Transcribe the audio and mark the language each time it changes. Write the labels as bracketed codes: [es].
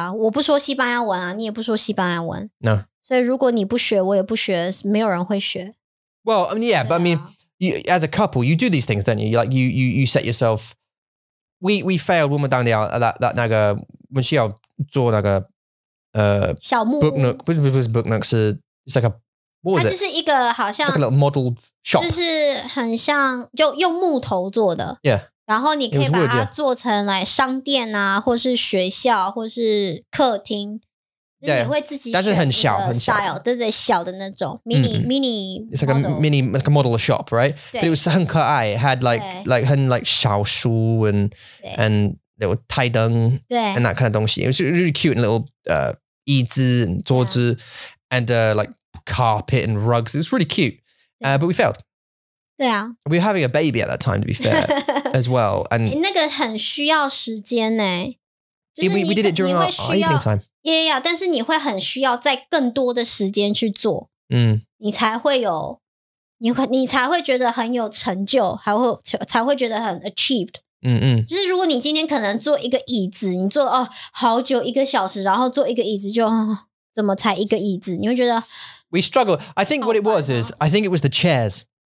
[zh] 对，就是完全不一样的语言。对啊，我不说西班牙文啊，你也不说西班牙文。No. 所以如果你不学，我也不学，没有人会学。Well, [en] I mean, yeah, but I mean, you, as a couple, you do these things, don't you? You like you set yourself. We failed when we down the that [zh] 那个 [en] when she [zh] 要做那个。小木屋。Book [en] Nook, Book Nook, it's like a, what was it? [zh] 它就是一个好像, [en] it's like a little model shop. [zh] 就是很像, 就用木头做的, [en] yeah. [zh] 然后你可以把它做成 like 商店啊, 或是学校, 或是客厅, [en] yeah. [zh] 你会自己选择style, 但是很小, 对对, 小的那种, mini, mini [en] model. It's like a mini, like a model shop, right? [zh] 对。 [en] But it was [zh] 很可爱, [en] it had like, 对。 Like 很 like [zh] 小书, [en] and, 对。 And, little [zh] tai deng [en] and that kind of donkey. It was really cute and little [zh] yizi and zuozi [en] and like carpet and rugs. It was really cute. Yeah. But we failed. Yeah. We were having a baby at that time, to be fair, as well. And [zh] 那个很需要时间欸, [en] yeah, we did it during [zh] 你会需要, [en] our evening time. Yeah, yeah. [zh] 但是你会很需要在更多的时间去做, 你才会有, 你才会觉得很有成就, 才会觉得很 achieved. 就是如果你今天可能坐一个椅子，你坐哦好久一个小时，然后坐一个椅子就怎么才一个椅子，你会觉得 [en] We struggle. I think what it was is I think it was the chairs.